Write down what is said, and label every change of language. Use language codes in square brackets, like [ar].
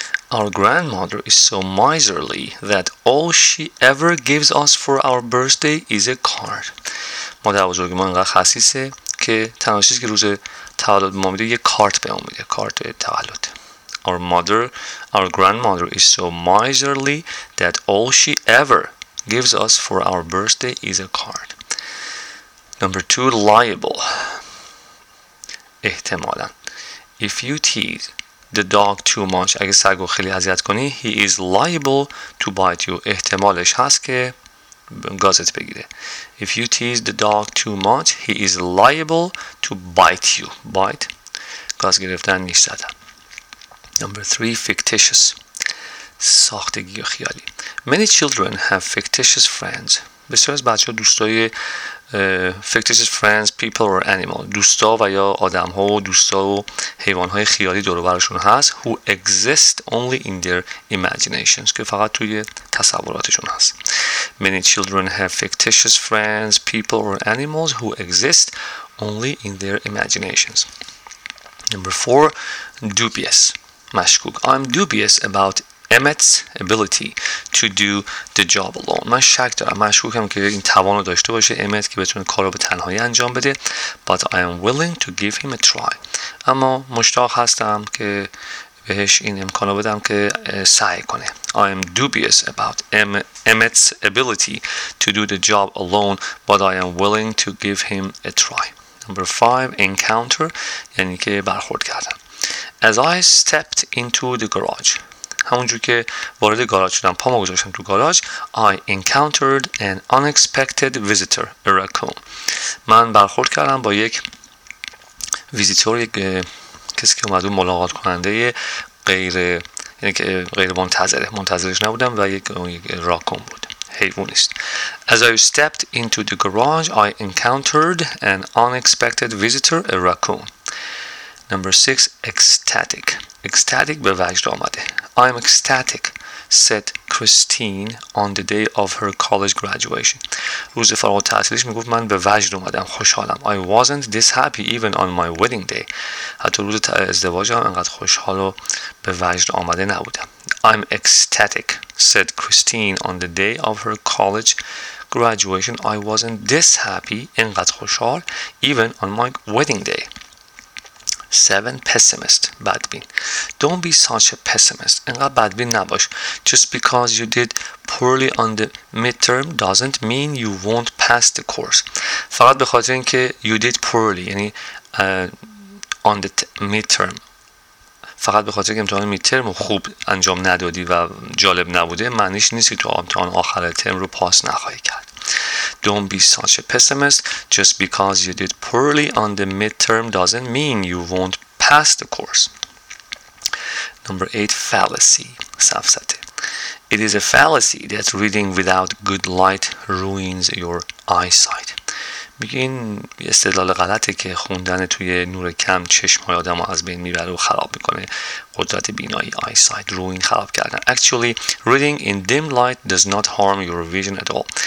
[en] Our grandmother is so miserly that all she ever gives us for our birthday is a card. [fa] مادر بزرگ ما اینقدر خسیسه که تنها چیزی که روز تولد ما میده یه کارت به ما میده، کارت تولد. [en] Our grandmother is so miserly that all she ever gives us for our birthday is a card. Number two, liable. [fa] احتمالاً. [en] If you tease the dog too much, [fa] اگه سگو خیلی اذیت کنی, [en] he is liable to bite you. [fa] احتمالش هست که گازت بگیره. [en] If you tease the dog too much, he is liable to bite you. Bite, [fa] گاز گرفتن نیست زدن. [en] Number three, fictitious. [fa] ساختگی و خیالی. [en] Many children have fictitious friends. [fa] بسیار از بچه ها دوستای [en] fictitious friends, people or animal. [fa] دوستا و یا آدم ها و دوستا و حیوان های خیالی دور و برشون هست. [en] Who exist only in their imaginations. [fa] که فقط توی تصوراتشون هست. [en] Many children have fictitious friends, people or animals who exist only in their imaginations. Number four, dubious. [fa] مشکوک. [en] I'm dubious about Emmett's ability to do the job alone. [fa] من شک دارم. مشکوکم که این توانو داشته باشه امت که بتونه کارو به تنهایی انجام بده. [en] But I am willing to give him a try. [fa] اما مشتاق هستم که بهش این امکانو بدم که سعی کنه. [en] I am dubious about Emmett's ability to do the job alone, but I am willing to give him a try. Number 5, [fa] encounter, یعنی که برخورد کردن. [en] As I stepped into the garage, [fa] همونجور که وارد گاراژ شدم، پامو گذاشتم تو گاراژ. [en] I encountered an unexpected visitor, a raccoon. [fa] من برخورد کردم با یک ویزیتور، یک کسی که اومد، ملاقات کننده غیر، یعنی که غیر منتظره، منتظرش نبودم و یک راکون بود. حیوانیست. [en] As I stepped into the garage, I encountered an unexpected visitor, a raccoon. Number 6, ecstatic. Ecstatic [fa] به وجد آمده. [en] I am ecstatic, said Christine on the day of her college graduation. [fa] روز فارغ التحصیلیش میگفت من به وجد اومدم، خوشحالم. [en] I wasn't this happy even on my wedding day. [fa] حتی روز ازدواجم انقدر خوشحال و به وجد آمده نبودم. [en] I'm ecstatic, said Christine on the day of her college graduation. I wasn't this happy, [fa] انقدر خوشحال, [en] even on my wedding day. 7, pessimist, [fa] بدبین. [en] Don't be such a pessimist. [fa] انقدر بدبین نباش. [en] Just because you did poorly on the midterm doesn't mean you won't pass the course. [fa] فقط به خاطر اینکه [en] you did poorly, یعنی on the midterm. [fa] فقط به خاطر که امتحان میدترم خوب انجام ندادی و جالب نبوده معنیش نیست که تو امتحان آخر ترم رو پاس نخواهی کرد. [en] Don't be such a pessimist. Just because you did poorly on the midterm doesn't mean you won't pass the course. Number 8, fallacy. [fa] سفسطه. [en] It is a fallacy that reading without good light ruins your eyesight. [fa] میگه این استدلال غلطه که خوندن توی نور کم چشمهای آدم از بین میبره و خراب میکنه قدرت بینایی. [en] eyesight, ruin, [fa] خراب کردن. [en] Actually, reading in dim light does not harm your vision at all.